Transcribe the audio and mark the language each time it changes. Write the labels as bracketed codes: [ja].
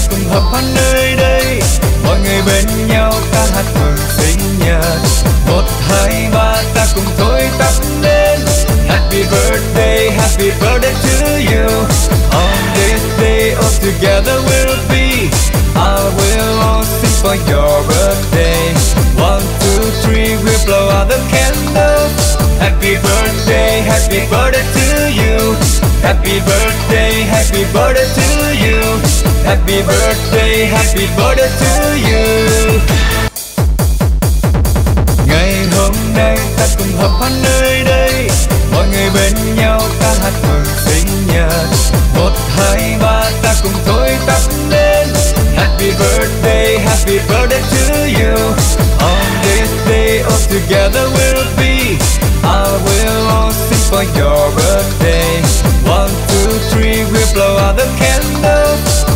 [vi] Hợp hát nơi đây, mọi người bên nhau ta hát mừng sinh nhật. 1, 2, 3 ta cùng thôi tắt nến. [en] Happy birthday, happy birthday to you. On this day, all together we'll be. I will all sing for your birthday. 1, 2, 3 we'll blow out the candles. Happy birthday, happy birthday to you. Happy birthday, happy birthday to you. Happy birthday, happy birthday to you. [vi] Ngày hôm nay ta cùng hợp hát nơi đây, mọi người bên nhau ta hát mừng sinh nhật. 1, 2, 3 ta cùng thôi tắt nến. [en] Happy birthday, happy birthday to you. On this day, all together we'll be. I will all sing for your birthday. 1, 2, 3 we'll blow out the candles.